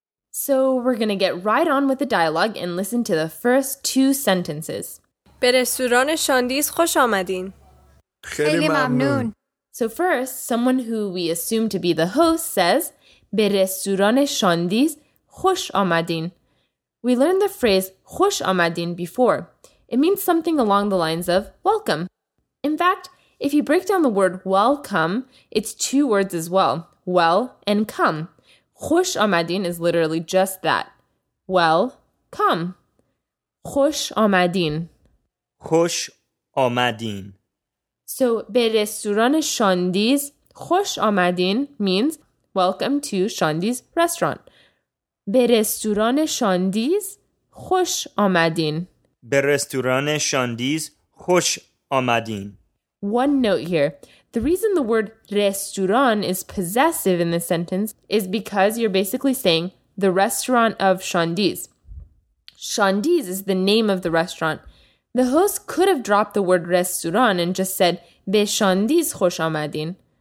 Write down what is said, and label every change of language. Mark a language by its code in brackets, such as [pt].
[en] So we're gonna get right on with the dialogue and listen to the first two sentences. [fa] به رستوران شاندیز خوش آمدین. خیلی ممنون. [en] So first, someone who we assume to be the host says, [fa] به رستوران شاندیز خوش آمدین. [en] We learned the phrase [fa] خوش آمدین [en] before. It means something along the lines of welcome. In fact, if you break down the word welcome, it's two words as well, well and come. [fa] خوش آمدین [en] is literally just that. Well, come. [fa] خوش آمدین. خوش آمدین. [en] So, [fa] به رستوران شاندیز خوش آمدین [en] means welcome to Shandiz restaurant. [fa] به رستوران شاندیز خوش آمدین. به رستوران شاندیز خوش آمدین. [en] One note here. The reason the word رستوران is possessive in this sentence is because you're basically saying the restaurant of Shandiz. Shandiz is the name of the restaurant. The host could have dropped the word restaurant and just said [fa] به شاندیز خوش آمدین.